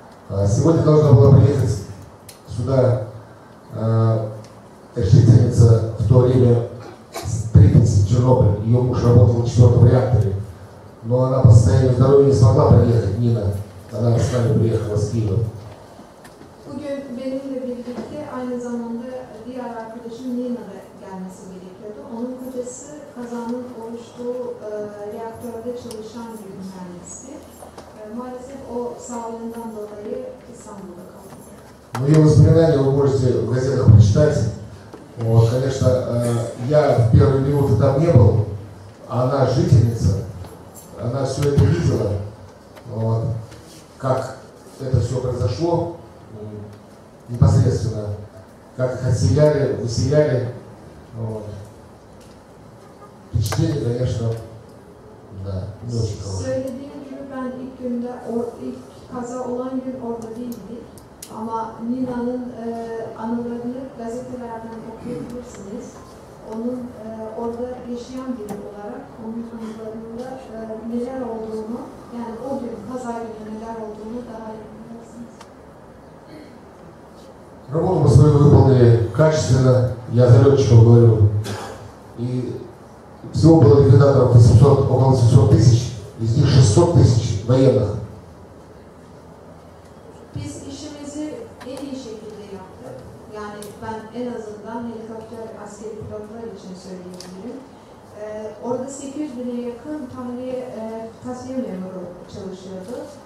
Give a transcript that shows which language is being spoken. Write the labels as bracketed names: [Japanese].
[Russian] Сегодня должна была приехать сюда жительница в то время с Припяти, Чернобыль. Ее муж работал в 4-м реакторе. Но она по состоянию здоровья не смогла приехать, Нина. Она с нами приехала с Киева. [Turkish] Bugün benimle birlikte aynı zamanda diğer arkadaşım Nina da gelmesi gerekiyordu. Onun kocası kazanın oluştuğu reaktörde çalışan bir mühendisti. Maalesef o sağlığından dolayı İstanbul'da kaldı. [Russian] Ну, его воспоминания вы можете в газетах почитать. Вот, конечно, я в первые минуты там не был, а она жительница. Она все это видела, вот, как это все произошло непосредственно, как их отселяли, выселяли. Вот. Впечатление, конечно, да, не очень хорошее. [Turkish] Söylediğim gibi ben ilk günde, ilk kaza olan gün orada değildik. Ama Nina'nın anılarını gazetelerden okuyabilirsiniz. Onun orada yaşayan biri olarak onun anılarında neler olduğunu, yani o gün kaza günü neler olduğunu daha iyi bilirsiniz. [Russian] Работу мы свою выполнили качественно, я залетчиков говорю. И всего было ликвидаторов 800, около 700 тысяч, из них 600 тысяч военных. [Turkish] Biz işimizi en iyi şekilde yaptık. Yani ben en azından helikopter askeri pilotlar için söyleyebilirim. Orada 800 bine yakın tahliye tasfiye memuru çalışıyordu.